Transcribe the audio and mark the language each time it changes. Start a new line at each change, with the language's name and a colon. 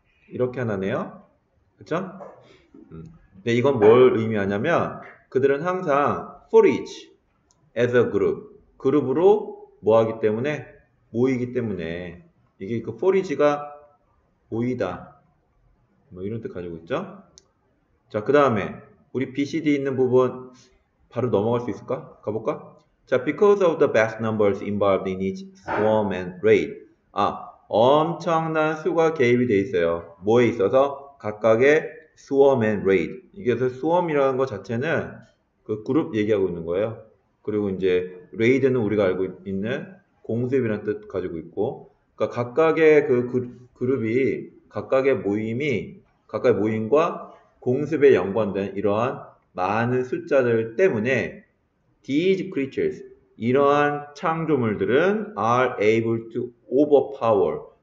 Korean: 이렇게 하나네요. 그쵸? 근데 이건 뭘 의미하냐면 그들은 항상
English: for each as a group.
Korean: 그룹으로 뭐 하기 때문에? 모이기 때문에. 이게 그 for each가 모이다. 뭐 이런 뜻 가지고 있죠? 자, 그 다음에 우리 BCD 있는 부분 바로 넘어갈 수 있을까? 가볼까? 자,
English: because of the vast numbers involved in each swarm and raid.
Korean: 아, 엄청난 수가 개입이 돼 있어요. 뭐에 있어서? 각각의 swarm and raid. 이게 swarm이라는 것 자체는 그 그룹 얘기하고 있는 거예요. 그리고 이제 raid는 우리가 알고 있는 공습이라는 뜻 가지고 있고, 그러니까 각각의 그룹이 각각의 모임이 각각의 모임과 공습에 연관된 이러한 많은 숫자들 때문에
English: These creatures,
Korean: 이러한 창조물들은
English: are able to overpower.